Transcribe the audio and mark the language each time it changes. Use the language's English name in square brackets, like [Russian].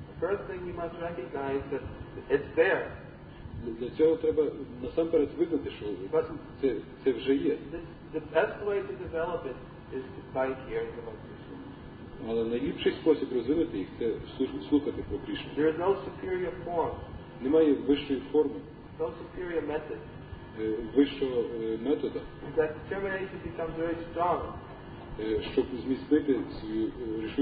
[English] First thing you must recognize that it's there. [Ukrainian] Для цього треба насамперед визнати, що це вже є. [English] The best way to develop it is by hearing about Krishna. [Ukrainian] Але найліпший спосіб розвинути їх – це слухати про Кришну. [English] There is no superior form. [Ukrainian] Немає вищої форми. [English] No superior method. [Ukrainian] Вищого методу. [English] That determination becomes very strong. [Ukrainian] Щоб зміцнити свою рішучість.